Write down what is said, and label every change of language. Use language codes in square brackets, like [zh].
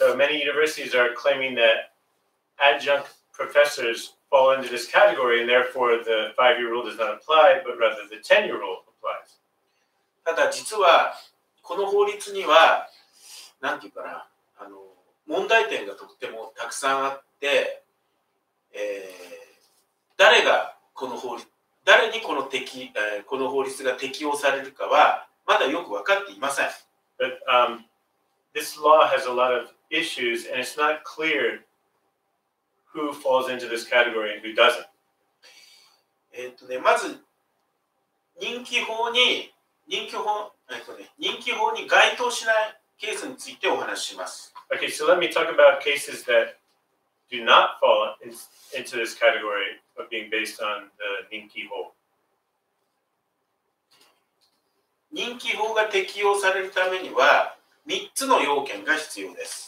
[en] So many universities are claiming that adjunct professors fall into this category and therefore the five-year rule does not apply, but rather the 10-year rule applies. [ja] ただ実はこの法律には何て言うかな問題点がとってもたくさんあって、誰がこの法律、誰にこの適、この法律が適用されるかはまだよく分かっていません。 [en] But, this law has a lot of issues and it's not clear who falls into this category and who doesn't. [ja] まず、任期法に、任期法に該当しないケースについてお話しします。 [en] Okay, so let me talk about cases that do not fall into this category of being based on the 任期法。 [ja] 任期法が適用されるためには3つの要件が必要です。